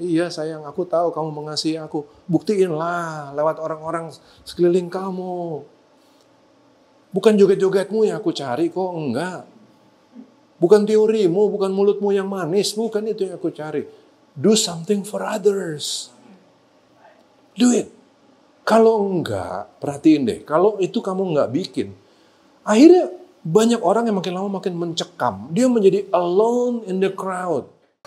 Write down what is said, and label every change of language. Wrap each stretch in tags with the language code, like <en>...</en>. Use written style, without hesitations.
<id>Iya sayang, aku tahu kamu mengasihi aku. Buktiinlah lewat orang-orang sekeliling kamu. Bukan joget-jogetmu yang aku cari kok, enggak. Bukan teorimu, bukan mulutmu yang manis, bukan itu yang aku cari.</id> <en>Do something for others. Do it.</en> <id>Kalau enggak, perhatiin deh. Kalau itu kamu enggak bikin, akhirnya banyak orang yang makin lama makin mencekam. Dia menjadi</id> <en>alone in the crowd.</en>